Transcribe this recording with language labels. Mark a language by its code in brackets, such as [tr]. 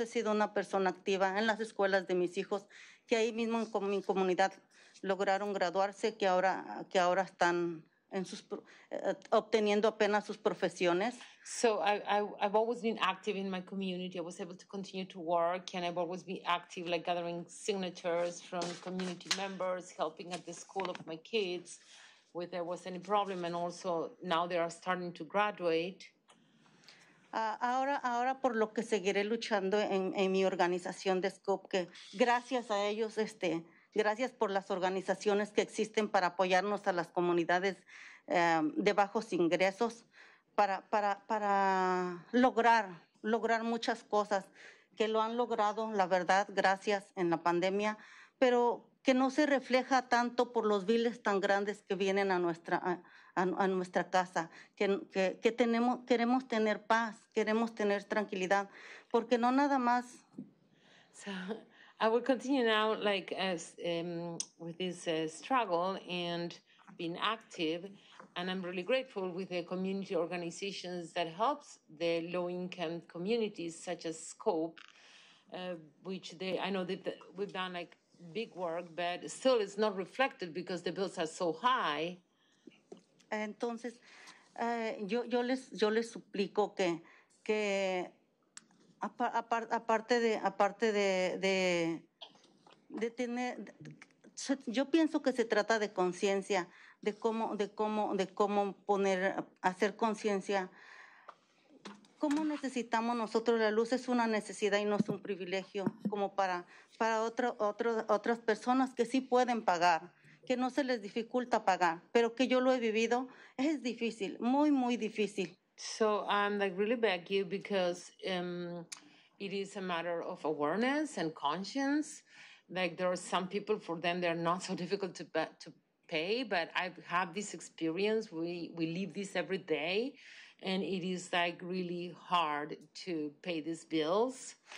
[es] He sido una persona activa en las escuelas de mis hijos, que ahí mismo en mi comunidad lograron graduarse, que ahora están en sus obteniendo apenas sus profesiones. [en] So I've always been active in my community. I was able to continue to work, and I've always been active, like gathering signatures from community members, helping at the school of my kids, where there was any problem, and also now they are starting to graduate. [es] Ahora por lo que seguiré luchando en mi organización de SCOPE, que gracias a ellos gracias por las organizaciones que existen para apoyarnos a las comunidades de bajos ingresos para lograr muchas cosas que lo han logrado, la verdad, gracias en la pandemia, pero que no se refleja tanto por los biles tan grandes que vienen a nuestra casa, que tenemos, queremos tener paz, queremos tener tranquilidad, porque no nada más... [en] So, I will continue now, like with this struggle and being active, and I'm really grateful with the community organizations that helps the low-income communities, such as SCOPE, which we've done like big work, but still it's not reflected because the bills are so high. [es] Entonces, yo les suplico que aparte de tener, yo pienso que se trata de conciencia, de cómo poner, hacer conciencia. ¿Cómo necesitamos nosotros la luz? Es una necesidad y no es un privilegio, como para otras personas que sí pueden pagar, que no se les dificulta pagar, pero que yo lo he vivido, es difícil, muy, muy difícil. [en] So I'm like really beg you because it is a matter of awareness and conscience. Like there are some people, for them they're not so difficult to pay, but I have this experience. We live this every day, and it is like really hard to pay these bills.